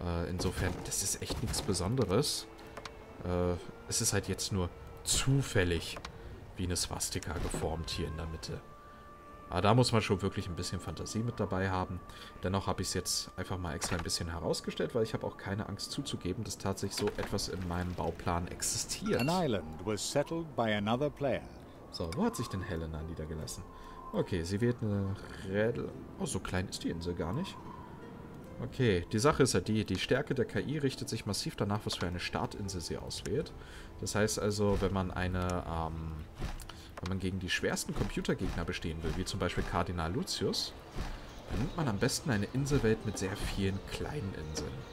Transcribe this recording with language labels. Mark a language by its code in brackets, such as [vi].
[de] Insofern, das ist echt nichts Besonderes. Es ist halt jetzt nur zufällig wie eine Swastika geformt hier in der Mitte. Aber da muss man schon wirklich ein bisschen Fantasie mit dabei haben. Dennoch habe ich es jetzt einfach mal extra ein bisschen herausgestellt, weil ich habe auch keine Angst zuzugeben, dass tatsächlich so etwas in meinem Bauplan existiert. [en] An island was settled by another player. [de] So, wo hat sich denn Helena niedergelassen? Okay, sie wird eine Rädel... Oh, so klein ist die Insel gar nicht. Okay, die Sache ist ja die, die Stärke der KI richtet sich massiv danach, was für eine Startinsel sie auswählt. Das heißt also, wenn man eine, wenn man gegen die schwersten Computergegner bestehen will, wie zum Beispiel Kardinal Lucius, dann nimmt man am besten eine Inselwelt mit sehr vielen kleinen Inseln.